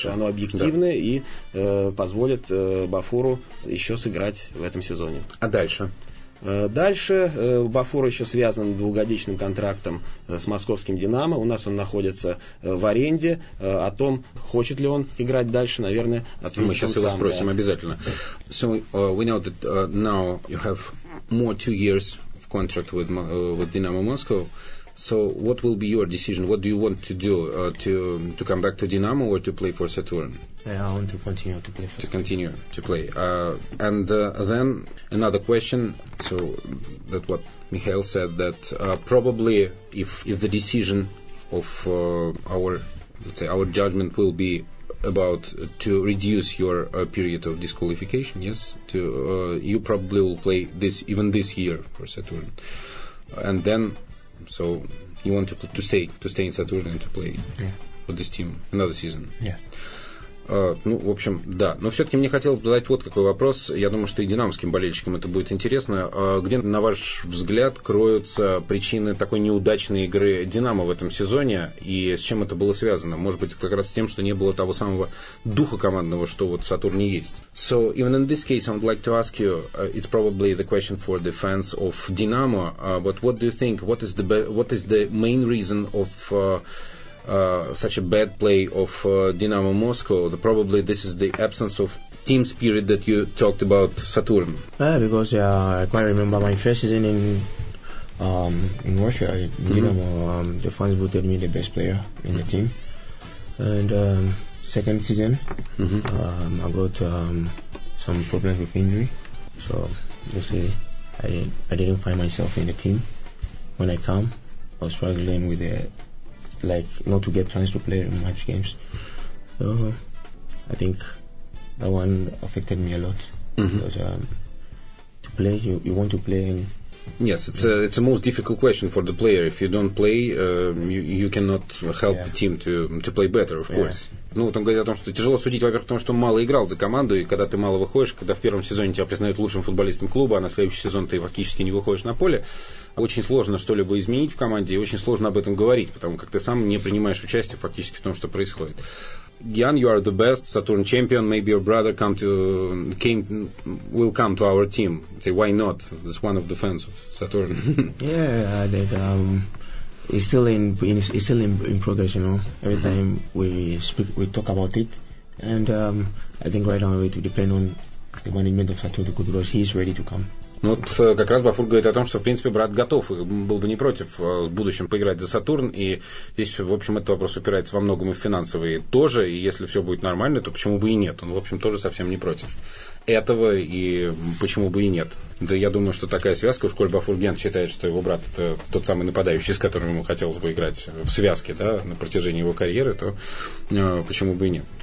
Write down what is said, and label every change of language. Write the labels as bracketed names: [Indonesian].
[Russian] что оно объективное, да, и позволит Бафуру еще сыграть в этом сезоне. А дальше? Дальше Бафур еще связан двухгодичным контрактом с московским «Динамо». У нас он находится в аренде. О том, хочет ли он играть дальше, наверное, ответим сам. Мы сейчас его спросим обязательно. [English] So we know that now you have more 2 years of contract with «Динамо Moscow». So what will be your decision? What do you want to do? To come back to «Динамо» or to play for «Сатурн»? I want to continue to play. To continue to play. Then another question. So that what Mikhail said, that probably if the decision of our judgment will be about to reduce your period of disqualification, yes, to you probably will play this year for Saturn, and then so you want to stay in Saturn and to play for this team another season. Yeah. [Russian] Ну, в общем, да. Но все-таки мне хотелось бы задать вот какой вопрос. Я думаю, что и динамовским болельщикам это будет интересно. Где, на ваш взгляд, кроются причины такой неудачной игры «Динамо» в этом сезоне? И с чем это было связано? Может быть, как раз с тем, что не было того самого духа командного, что вот в «Сатурне» есть. [English] So, even in this case, I would like to ask you, it's probably the question for the fans of «Динамо», but what do you think, what is the main reason of... such a bad play of Dynamo Moscow, probably this is the absence of team spirit that you talked about, Saturn. Because I quite remember my first season in Russia, Dynamo, the fans voted me the best player in the team. And second season, I got some problems with injury. So, basically, I didn't find myself in the team. When I came, I was struggling with the, like, not to get chance to play in match games. So, I think that one affected me a lot. Because to play, you want to play. And yes, it's a most difficult question for the player. If you don't play, you cannot help the team to play better, of course. [Russian] Ну, вот он говорит о том, что тяжело судить, во-первых, потому что он мало играл за команду, и когда ты мало выходишь, когда в первом сезоне тебя признают лучшим футболистом клуба, а на следующий сезон ты фактически не выходишь на поле, очень сложно что-либо изменить в команде, и очень сложно об этом говорить, потому как ты сам не принимаешь участие фактически в том, что происходит. [English] Jan, you are the best Saturn champion. Maybe your brother will come to our team. Say, why not? It's one of the fans of Saturn. Yeah, I think it's still in progress. You know, every time we speak, we talk about it, and I think right now it will depend on the management of Saturn because he's ready to come. [Russian] Ну вот как раз Бафур говорит о том, что, в принципе, брат готов, был бы не против в будущем поиграть за Сатурн, и здесь, в общем, этот вопрос упирается во многом и в финансовые тоже, и если все будет нормально, то почему бы и нет? Он, в общем, тоже совсем не против этого, и почему бы и нет? Да я думаю, что такая связка, уж коль Бафур Гент считает, что его брат – это тот самый нападающий, с которым ему хотелось бы играть в связке, да, на протяжении его карьеры, то почему бы и нет?